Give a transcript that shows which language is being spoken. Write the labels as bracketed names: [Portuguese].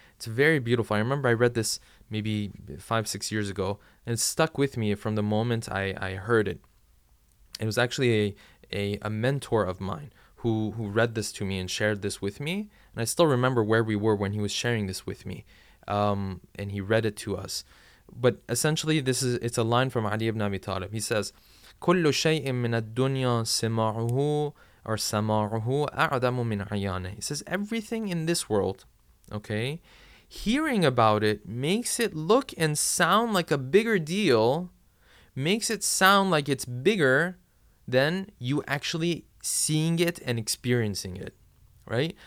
[English] It's very beautiful. I remember I read this maybe 5-6 years ago, and it stuck with me from the moment I heard it. It was actually a mentor of mine who read this to me and shared this with me. And I still remember where we were when he was sharing this with me. And he read it to us. But essentially, it's a line from Ali ibn Abi Talib. He says, [Arabic] كل شيء من الدنيا سمعه or سمعه أعظم من عيانه. [English] He says, everything in this world, okay, hearing about it makes it look and sound like a bigger deal, makes it sound like it's bigger than you actually seeing it and experiencing it, right?